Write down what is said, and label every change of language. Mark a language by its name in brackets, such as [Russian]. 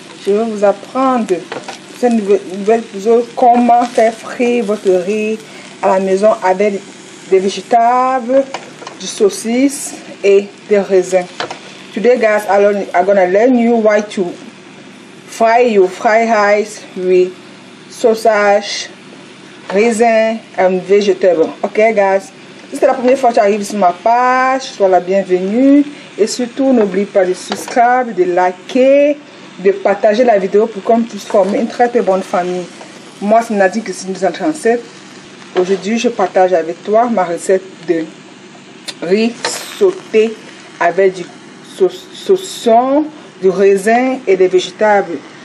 [French] Je vais vous apprendre ce nouvel épisode comment faire frire votre riz à la maison avec des végétables, du saucisse et des raisins. [English] Today, guys, I'm gonna learn you why to fry your fried rice with sausage, raisins and vegetables. Ok, guys. [French] Si c'est la première fois que tu arrives sur ma page, sois la bienvenue. Et surtout, n'oublie pas de subscribe, de liker, de partager la vidéo pour qu'on puisse former une très très bonne famille. Moi, c'est Nadine Christine 237. Aujourd'hui, je partage avec toi ma recette de riz sauté avec du saucisson, du raisin et des végétables.